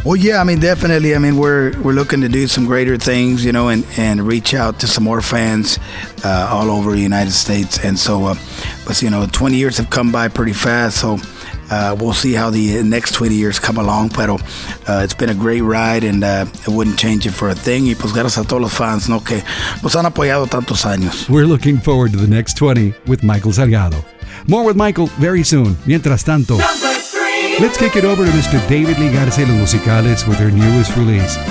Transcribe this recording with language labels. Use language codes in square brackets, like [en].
[en] Well, yeah, I mean, definitely. I mean, we're looking to do some greater things, you know, and reach out to some more fans all over the United States. And so, but you know, 20 years have come by pretty fast, so we'll see how the next 20 years come along. Pero it's been a great ride, and it wouldn't change it for a thing. [es] Y pues gracias a todos los fans, ¿no?, que nos han apoyado tantos años. [en] We're looking forward to the next 20 with Michael Salgado. More with Michael very soon. [es] Mientras tanto, [en] let's kick it over to Mr. David Lee Garcia, Los Musicales, with their newest release.